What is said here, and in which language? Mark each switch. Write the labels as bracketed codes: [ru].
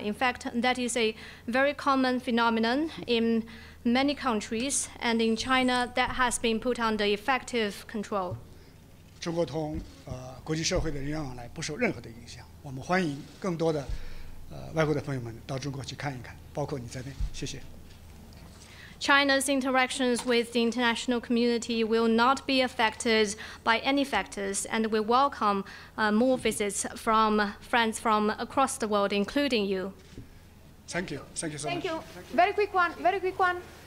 [en] In fact, that is a very common phenomenon in many countries, and in China, that has been put under effective control. [zh] 中国同国际社会的人员往来不受任何的影响。我们欢迎更多的外国的朋友们到中国去看一看，包括你在内。谢谢。 [en] China's interactions with the international community will not be affected by any factors, and we welcome more visits from friends from across the world, including you. Thank you. Thank you so Thank much. Thank you. Very quick one. Very quick one.